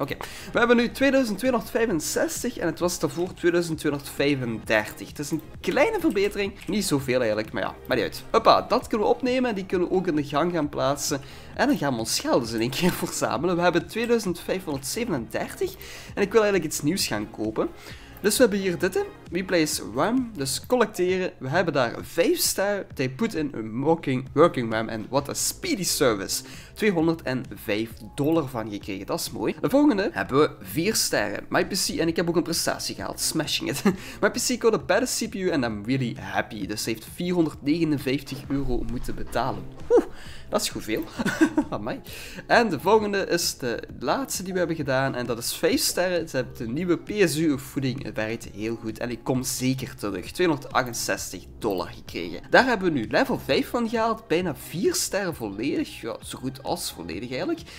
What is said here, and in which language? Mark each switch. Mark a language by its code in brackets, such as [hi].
[nl] Oké, we hebben nu 2265 en het was daarvoor 2235. Het is een kleine verbetering. Niet zoveel eigenlijk, maar ja, maakt niet uit. Hoppa, dat kunnen we opnemen en die kunnen we ook in de gang gaan plaatsen. En dan gaan we ons geld dus in één keer verzamelen. We hebben 2537 en ik wil eigenlijk iets nieuws gaan kopen. Dus we hebben hier dit in, replace RAM, dus collecteren. We hebben daar [en] 5 star, they put in a working RAM and what a speedy service. [nl] $205 van gekregen, dat is mooi. De volgende hebben we 4 sterren. My PC, en ik heb ook een prestatie gehaald, [en] smashing it. My PC got a better CPU and I'm really happy. [nl] Dus heeft €459 moeten betalen. Oeh, dat is goed veel. Amai. En de volgende is de laatste die we hebben gedaan en dat is 5 sterren. Ze hebben de nieuwe PSU voeding, het werkt heel goed en ik kom zeker terug. $268 gekregen. Daar hebben we nu level 5 van gehaald, bijna 4 sterren volledig. Ja, zo goed. Als volledig eigenlijk.